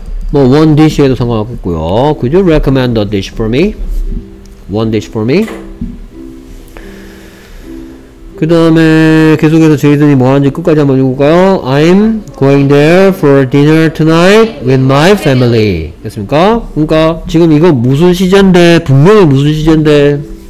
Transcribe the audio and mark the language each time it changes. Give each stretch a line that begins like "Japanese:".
English: 뭐 one dish
Korean: 해도 상관없고요.
English: Could you recommend a dish for me? One dish for me?
Korean: 그 다음에 계속해서 제이든이 뭐 하는지 끝까지 한번 읽어볼까요?
English: I'm going there for dinner tonight with my family.
Korean: 됐습니까? 그러니까 지금 이거 무슨 시제인데? 분명히 무슨 시제인데?